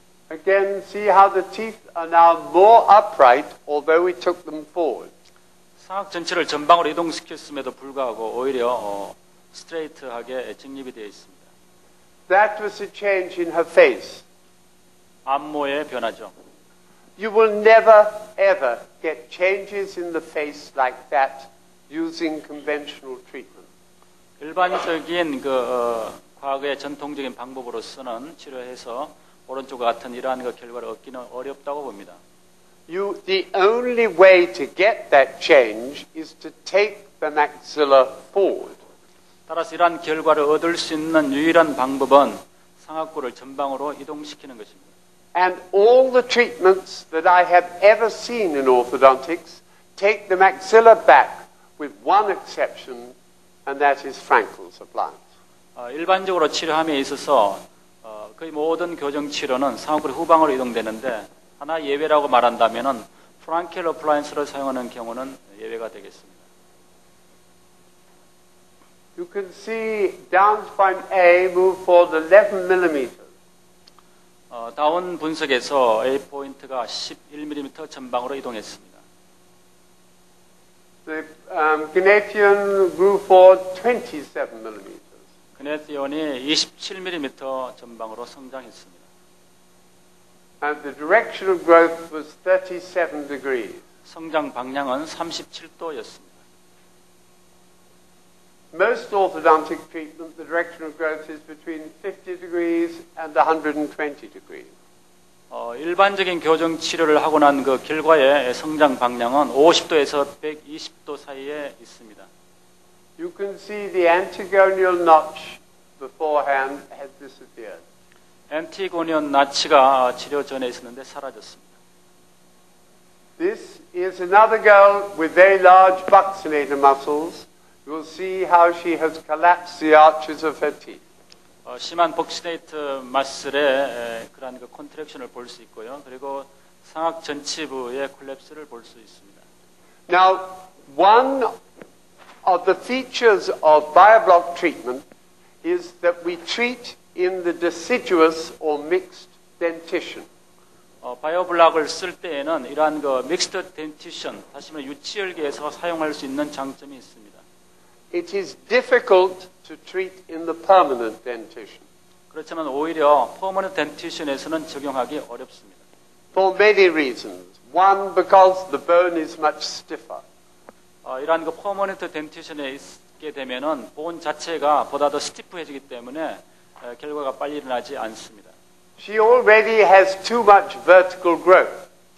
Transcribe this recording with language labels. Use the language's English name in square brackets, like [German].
[English] Again, see how the teeth are now more upright, although we took them forward. [Korean] 상악 전체를 전방으로 이동시켰음에도 불구하고 오히려 스트레이트하게 직립이 되어 있습니다. [English] That was a change in her face. [Korean] 안모의 변화죠. [English] You will never ever get changes in the face like that using conventional treatment. [Korean] 일반적인 과거의 전통적인 방법으로서는 치료해서 오른쪽과 같은 이러한 결과를 얻기는 어렵다고 봅니다. [English] The only way to get that change is to take the maxilla forward. [Korean] 따라서 이러한 결과를 얻을 수 있는 유일한 방법은 상악골을 전방으로 이동시키는 것입니다. [English] And all the treatments that I have ever seen in orthodontics take the maxilla back with one exception, and that is Frankel's appliance. [Korean] 일반적으로 치료함에 있어서 거의 모든 교정 치료는 상악골이 후방으로 이동되는데 하나 예외라고 말한다면은 프랑켈 어플라이언스를 사용하는 경우는 예외가 되겠습니다. [English] You can see down spine A move forward 11 mm. [Korean] 다운 분석에서 A 포인트가 11mm 전방으로 이동했습니다. [English] The Gnathion grew forward 27 mm. [Korean] 그네티온이 27mm 전방으로 성장했습니다. [English] And the direction of growth was 37 degrees. [Korean] 성장 방향은 37도였습니다. [English] Most orthodontic treatment, the direction of growth is between 50 degrees and 120 degrees. [Korean] 일반적인 교정 치료를 하고 난 그 결과의 성장 방향은 50도에서 120도 사이에 있습니다. [English] You can see the antigonial notch beforehand had disappeared. [Korean] 엔티고니온 나치가 치료 전에 있었는데 사라졌습니다. [English] This is another girl with very large buccinator muscles. You will see how she has collapsed the arches of her teeth. [Korean] 심한 복시네이트 마술의 그런 그 컨트랙션을 볼 수 있고요. 그리고 상악 전치부의 콜랩스를 볼 수 있습니다. [English] Now, one of the features of BioBlock treatment is that we treat in the deciduous or mixed dentition. [Korean] 바이오블록을 쓸 때에는 이러한 그 믹스드 덴티션, 다시 말해 유치열기에서 사용할 수 있는 장점이 있습니다. [English] It is difficult to treat in the permanent dentition. [Korean] 그렇지만 오히려 퍼머넌트 덴티션에서는 적용하기 어렵습니다. [English] For many reasons. One, because the bone is much stiffer. [Korean] 이러한 그 퍼머넌트 덴티션에 있게 되면은 본 자체가 보다 더 스티프해지기 때문에 결과가 빨리 일어나지 않습니다. [English] She already has too much vertical growth.